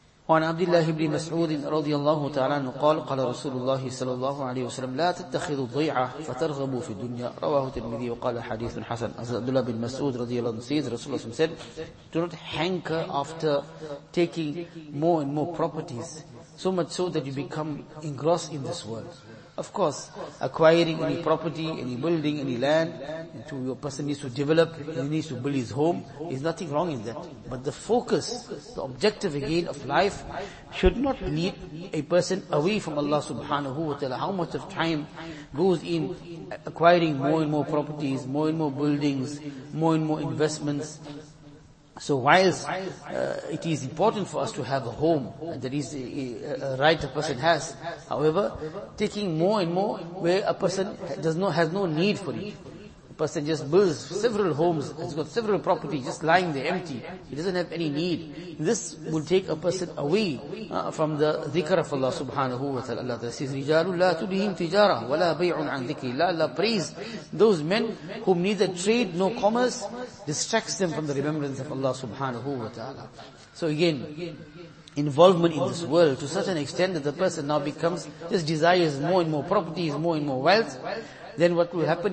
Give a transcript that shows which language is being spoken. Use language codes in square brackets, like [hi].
[ar] وعن عبد الله بن مسعود رضي الله تعالى عنه قال: قال رسول الله صلى الله عليه وسلم: لا تتخذوا ضيعة فترغبوا في الدنيا. رواه الترمذي وقال حديث حسن. [en] عبد الله بن مسعود [ar] رضي الله عنه [en] says, رسول الله said, do not hanker after taking more and more properties, so much so that you become engrossed in this world. Of course, acquiring any property, any building, any land, into your person needs to develop, he needs to build his home, is nothing wrong in that. But the focus, the objective again of life, should not lead a person away from Allah subhanahu wa ta'ala. How much of time goes in acquiring more and more properties, more and more buildings, more and more investments? So whilst it is important for us to have a home, and that is a right a person has, however, taking more and more where a person has no need for it. A person just builds several homes, has got several properties just lying there empty. He doesn't have any need. This will take a person away from the dhikr of Allah subhanahu wa ta'ala. [ar] Allah says, رِجَالُ لَا تُلْهِمْ تِجَارَ وَلَا بَيْعٌ عَنْ ذِكْرِ اللَّهِ. [en] Allah praise those men whom neither trade nor commerce distracts them from the remembrance of Allah subhanahu wa ta'ala. So again, involvement in this world to such an extent that the person now becomes, just desires more and more properties, more and more wealth, then what will happen?